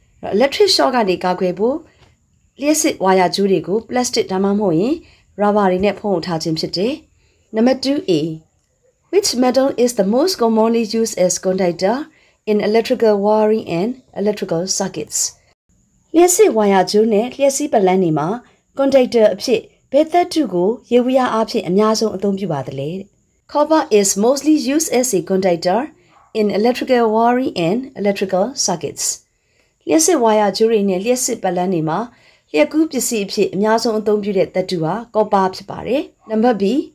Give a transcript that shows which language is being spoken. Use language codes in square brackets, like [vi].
[my] Electric shock ကနေကာကွယ်ဖို့လျှက်စစ်ဝါယာကြိုးတွေကိုပလတ်စတစ်ဒါမှမဟုတ်ရင် rubber တွေနဲ့ဖုံးထားခြင်းဖြစ်တယ်။ [en] Number 2A. Which metal is the most commonly used as conductor in electrical wiring and electrical circuits? [my] လျှက်စစ်ဝါယာကြိုးနဲ့လျှက်စီးပလတ်တွေမှာ conductor အဖြစ်ဘယ်သတ္တုကိုရေဝရအဖြစ်အများဆုံးအသုံးပြုပါသလဲ? [en] Copper is mostly used as a conductor in electrical wiring and electrical circuits. [my] လျှက်စစ်ဝါယာကြိုးတွေနဲ့လျှက်စစ်ပလတ်တွေမှာလျှက်ကူးပစ္စည်းအဖြစ်အများဆုံးအသုံးပြုတဲ့သတ္တုဟာကော်ပါဖြစ်ပါတယ်။နံပါတ် B.